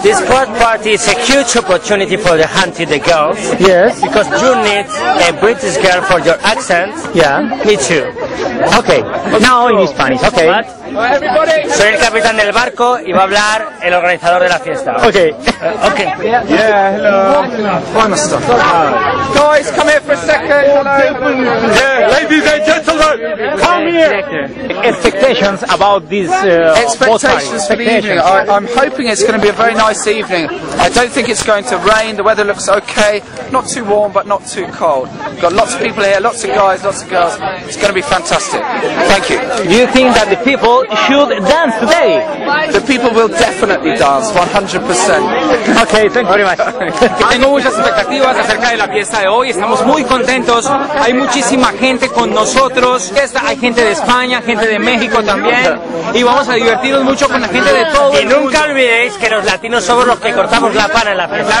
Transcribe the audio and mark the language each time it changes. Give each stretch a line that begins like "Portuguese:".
English: This boat party is a huge opportunity for the hunted girls. Yes. Because you need a British girl for your accent. Yeah. Me too. Okay. Now in Spanish. Okay.
Spanish: Soy el capitán del barco y va a hablar el organizador de la fiesta.
English: Okay. Okay. Yeah, hello.
Spanish: Buenas tardes.
English: Guys, come here for a second. Hello. Yeah, ladies and gentlemen, come here. Expectations about this expectations for the evening. I'm hoping it's going to be a very nice evening. I don't think it's going to rain. The weather looks okay. Not too warm, but not too cold. We've got lots of people here, lots of guys, lots of girls. It's going to be fantastic. Thank you. Do you think that the people should dance today? The people will definitely dance, 100%. Okay, thank you very much.
Spanish: Tengo muchas expectativas acerca de la fiesta de hoy. Estamos muy contentos. Hay muchísima gente con nosotros. Hay gente de España, gente de México también. Y vamos a divertirnos mucho con la gente de todo el mundo. Y nunca olvidéis que los latinos somos los que cortamos la pana en la fiesta.